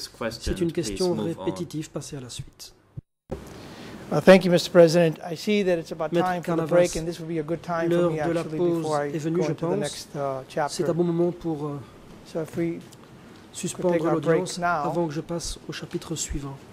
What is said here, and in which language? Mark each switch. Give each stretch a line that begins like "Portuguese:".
French: c'est une question répétitive, passez à la suite.
English: Thank you, Mr. President. I see that it's about time for the break, and this would be a good time for me actually before I go to the next chapter.
French: C'est un bon moment pour suspendre l'audience avant que je passe au chapitre suivant.